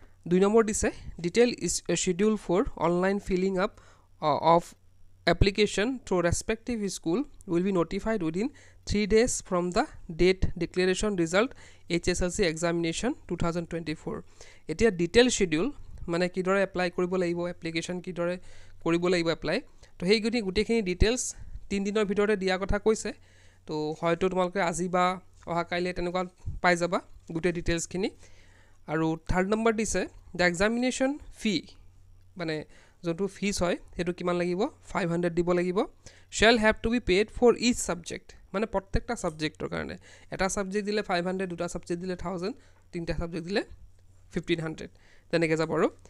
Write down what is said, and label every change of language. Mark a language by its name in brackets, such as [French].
[Assamese] দুই নম্বৰ দিছে, [English] Detail schedule for online filling up of application through respective school will be notified within 3 days from the date declaration result HSLC examination 2024। [Assamese] এতিয়া detail schedule মানে কিদৰে apply কৰিব লাগিব, application কিদৰে কৰিব লাগিব এপ্লাই, তো সেইখিনি গোটেইখিনি ডিটেইলছ 3 দিনৰ ভিতৰতে দিয়াৰ কথা কৈছে। তো হয়তো তোমালোকে আজি বা অহা কাইলৈ তেনেকুৱা পাই যাবা গোটেই ডিটেইলছখিনি। আৰু থাৰ্ড নম্বৰ দিছে, [English] the examination fee [Assamese] মানে যোনটো ফিজ হয় সেইটো কিমান লাগিব, 500 দিব লাগিব। [English] shall have to be paid for each subject, [Assamese] মানে প্ৰত্যেকটা ছাবজেক্টৰ কাৰণে, এটা ছাবজেক্ট দিলে 500, দুটা ছাবজেক্ট দিলে 1000, তিনিটা ছাবজেক্ট দিলে 1500, তেনেকৈ যাব আৰু।